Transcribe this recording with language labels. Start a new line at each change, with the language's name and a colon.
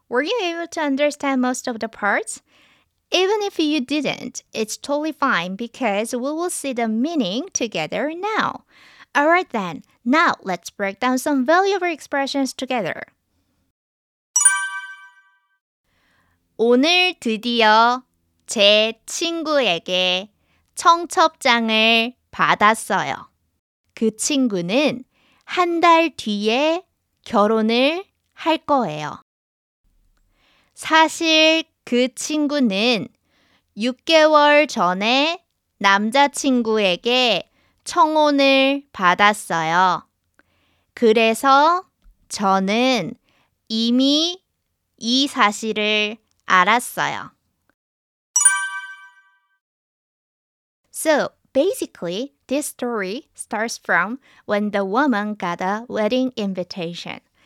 English: Were you able to understand most of the parts? Even if you didn't, it's totally fine because we will see the meaning together now. Alright then, now let's break down some valuable expressions together.
Korean: 오늘 드디어 제 친구에게 청첩장을 받았어요. 그 친구는 한 달 뒤에 결혼을 할 거예요. 사실 그 친구는 6개월 전에 남자친구에게 청혼을 받았어요. 그래서 저는 이미 이 사실을 알았어요.
English: So, basically, this story starts from when the woman got a wedding invitation.